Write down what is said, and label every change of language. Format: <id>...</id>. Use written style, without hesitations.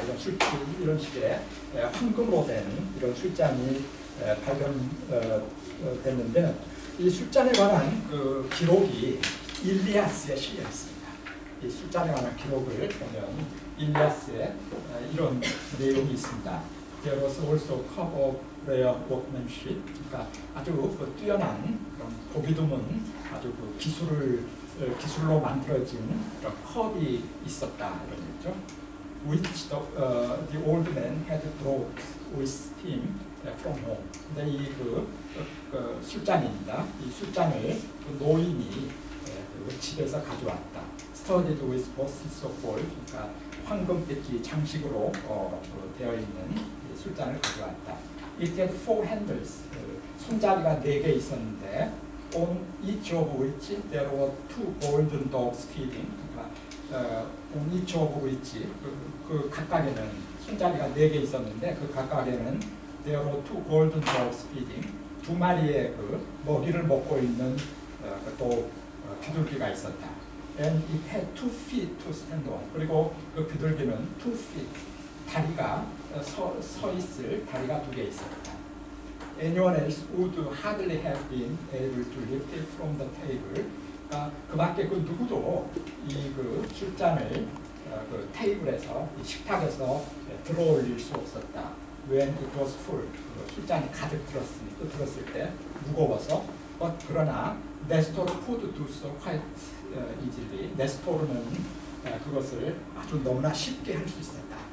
<ko>이런 식의 황금으로 된 이런 술잔이 발견됐는데 이 술잔에 관한 그 기록이 일리아스에 실려 있습니다. 이 술잔에 관한 기록을 보면 일리아스에 이런 내용이 있습니다.</ko> <en>There was also a cup of rare workmanship.</en> <ko>그러니까 아주 그 뛰어난 그런 보기 드문 아주 그 기술로 만들어진 그런 컵이 있었다 이런 얘기죠.</ko> <en>Which the old man had brought with him from home.</en> <ko>근데 이 그 술잔입니다. 이 술잔을 그 노인이 그 집에서 가져왔다.</ko> <en>Studded with boxes of gold.</en> <ko>그러니까 황금빛이 장식으로 되어 있는 술잔을 가져왔다.</ko> <en>It had four handles.</en> <ko>손잡이가 네 개 있었는데</ko> <en>on each of which there were two golden dogs feeding.</en> <ko>그러니까</ko> <en>on each of which</en> <ko>그 각각에는 손잡이가 네 개 있었는데 그 각각에는</ko> <en>there were two golden dogs feeding.</en> <ko>두 마리의 그 먹이를 먹고 있는 또 비둘기가 있었다.</ko> <en>And it had two feet to stand on.</en> <ko>그리고 그 비둘기는</ko> <en>two feet</en> <ko>다리가 서 있을 다리가 두 개 있었다.</ko> <en>Anyone else would hardly have been able to lift it from the table.</en> <ko>그러니까 그밖에 그 누구도 이 그 술잔을 그 테이블에서 이 식탁에서 들어올릴 수 없었다.</ko> <en>When it was full,</en> <ko>그 술잔이 가득 들었을 때 무거워서.</ko> <en>But</en> <ko>그러나</ko> <en>Nestor could do so quite easily.</en> <ko>Nestor는 그것을 아주 너무나 쉽게 할 수 있었다.</ko>